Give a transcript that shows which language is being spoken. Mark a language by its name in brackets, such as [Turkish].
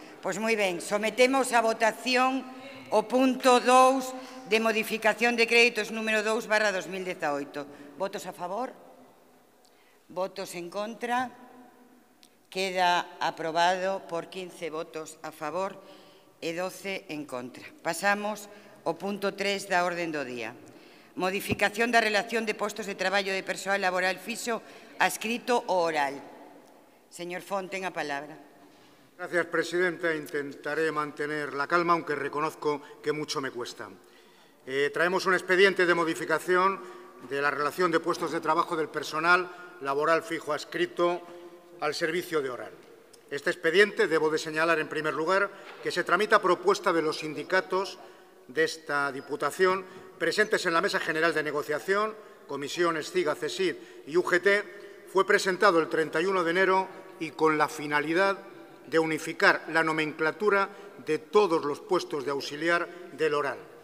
[Galician] Pois moi ben, sometemos a votación o punto 2 de modificación de créditos número 2/2018. Votos a favor? Votos en contra? Queda aprobado por 15 votos a favor e 12 en contra. Pasamos ao punto 3 da orden do día. Modificación da relación de postos de traballo de persoal laboral fixo adscrito ou oral. Señor Font, ten a palabra. [Spanish] Gracias, presidenta. Intentaré mantener la calma, aunque reconozco que mucho me cuesta. Traemos un expediente de modificación de la relación de puestos de trabajo del personal laboral fijo adscrito al servicio de oral. Este expediente, debo de señalar en primer lugar, que se tramita a propuesta de los sindicatos de esta Diputación, presentes en la Mesa General de Negociación, Comisiones, CIGA, CESID y UGT, fue presentado el 31 de enero y con la finalidad de unificar la nomenclatura de todos los puestos de auxiliar del oral.